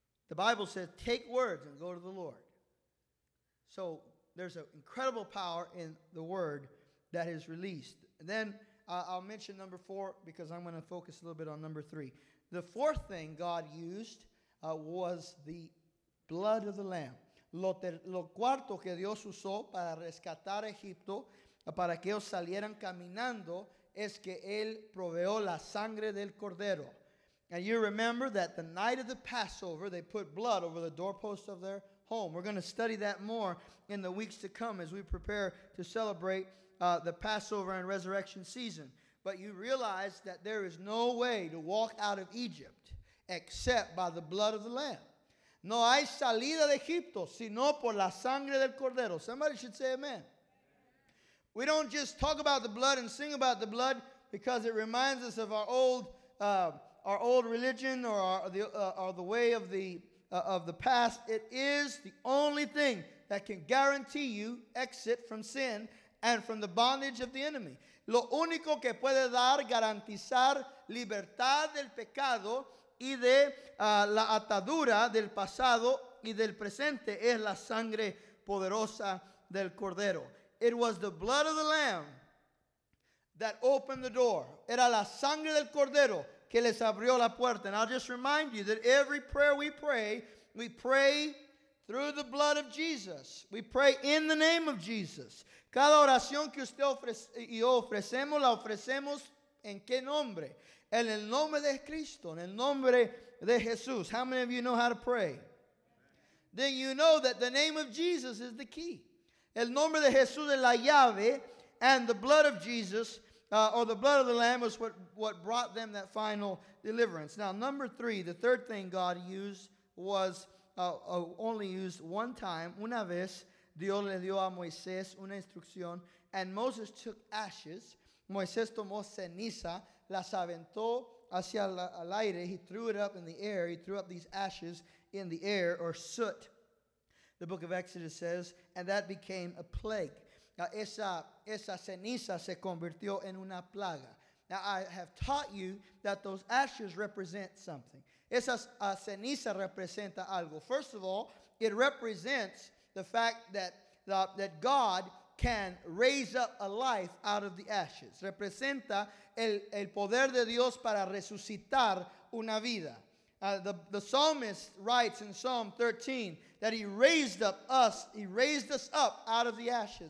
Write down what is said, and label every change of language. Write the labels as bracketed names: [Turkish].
[English] The Bible says, take words and go to the Lord. So there's an incredible power in the word that is released. And then I'll mention number four because I'm going to focus a little bit on number three. The fourth thing God used was the blood of the Lamb. [Spanish] Lo cuarto que Dios usó para rescatar a Egipto, para que ellos salieran caminando, es que Él proveó la sangre del Cordero. [English] And you remember that the night of the Passover, they put blood over the doorpost of their home. We're going to study that more in the weeks to come as we prepare to celebrate the Passover and resurrection season. But you realize that there is no way to walk out of Egypt except by the blood of the Lamb. [Spanish] No hay salida de Egipto sino por la sangre del Cordero. [English] Somebody should say amen. We don't just talk about the blood and sing about the blood because it reminds us of our old religion or the way of the past. It is the only thing that can guarantee you exit from sin and from the bondage of the enemy. [Spanish] Lo único que puede dar garantizar libertad del pecado y de la atadura del pasado y del presente es la sangre poderosa del Cordero. [English] It was the blood of the Lamb that opened the door. [Spanish] Era la sangre del Cordero que les abrió la puerta. [English] And I'll just remind you that every prayer we pray through the blood of Jesus. We pray in the name of Jesus. [Spanish] Cada oración que usted ofrece, y ofrecemos, la ofrecemos en qué nombre? En el nombre de Cristo, en el nombre de Jesús. [English] How many of you know how to pray? Then you know that the name of Jesus is the key. [Spanish] El nombre de Jesús es la llave, [English] and the blood of Jesus, or the blood of the Lamb, was what brought them that final deliverance. Now, number three, the third thing God used was only used one time, [Spanish] una vez. Dios le dio a Moisés una instrucción, [English] and Moses took ashes. [Spanish] Moisés tomó ceniza, las aventó hacia el aire. [English] He threw it up in the air. He threw up these ashes in the air, or soot. The book of Exodus says, and that became a plague. [Spanish] Now, esa ceniza se convirtió en una plaga. [English] Now, I have taught you that those ashes represent something. [Spanish] Esa ceniza representa algo. [English] First of all, it represents the fact that God can raise up a life out of the ashes. [Spanish] Representa el poder de Dios para resucitar una vida. [English] The psalmist writes in Psalm 13 that he raised us up out of the ashes.